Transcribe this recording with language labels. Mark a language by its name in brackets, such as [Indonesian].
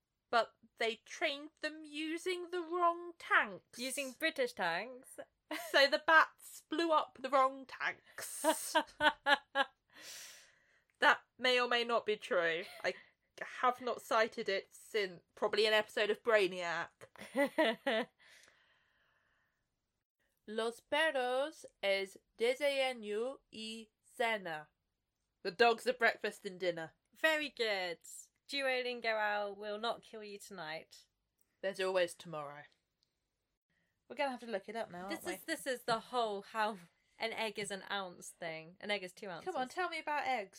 [English] But they trained them using the wrong tanks. Using British tanks. So the bats blew up the wrong tanks. That may or may not be true. I have not cited it since probably an episode of Brainiac. [Spanish] Los perros es desayuno y cena. [English] The dogs are breakfast and dinner. Very good. Duolingo Owl will not kill you tonight. There's always tomorrow. We're going to have to look it up now, aren't we? This is the whole how an egg is an ounce thing. An egg is 2 ounces. Come on, tell me about eggs.